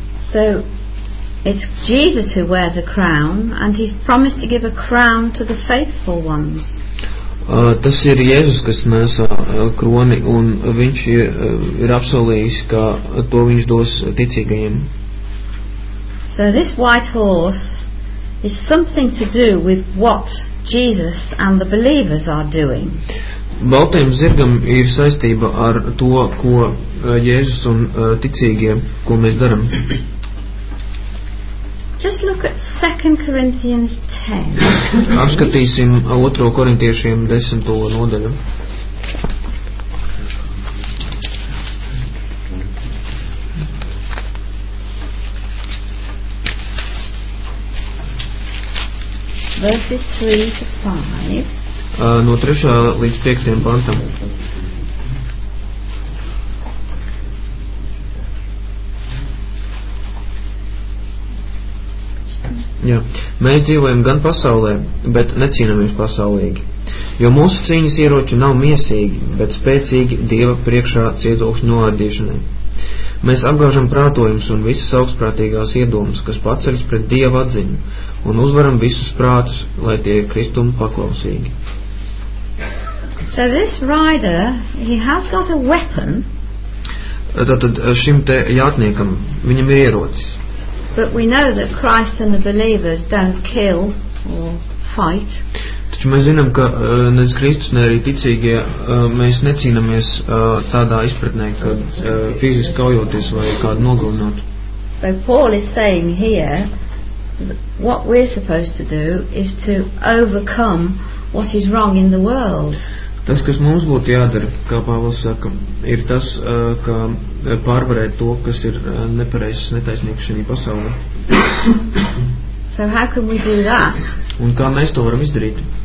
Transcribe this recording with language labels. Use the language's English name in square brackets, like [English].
[English] So, it's Jesus who wears a crown, and he's promised to give a crown to the faithful ones. [Latvian] Tas ir Jēzus, kas nesā kroni, un viņš ir apsolījis, ka to viņš dos ticīgajiem. [English] So this white horse is something to do with what Jesus and the believers are doing. [Latvian] Baltajam zirgam ir saistība ar to, ko Jēzus un ticīgie, ko mēs daram. [English] Just look at 2 Corinthians 10. [Latvian] Apskatīsim 2. Korintiešiem 10. nodaļu. [English] Verses 3-5. [Latvian] No 3. līdz 5. pantam. Jā. Mēs dzīvojam gan pasaulē, bet necīnamies pasaulīgi. Jo mūsu cīņas ieroči nav miesīgi, bet spēcīgi Dieva priekšā cietoksņa noārdīšanai. Mēs apgāžam prātojums un visas augstprātīgās iedomas, kas paceļas pret Dieva atziņu, un uzvaram visus prātus, lai tie ir Kristumu paklausīgi. [English] So this rider, he has got a weapon. [Latvian] Tātad šim te jātniekam, viņam ir ierocis. [English] But we know that Christ and the believers don't kill or fight. [Latvian] Taču mēs zinām, ka ne Kristus, ne arī ticīgie, mēs necīnamies tādā izpratnē, ka fiziski kaujoties vai kādu nogalināt. [English] So Paul is saying here what we're supposed to do is to overcome what is wrong in the world. [Latvian] Tas, kas mums būtu jādara, kā Pāvils saka, ir tas, ka pārvarēt to, kas ir nepareizs, netaisnīgs šajā pasaulē. [English] So how can we do that? [Latvian] Un kā mēs to varam izdarīt?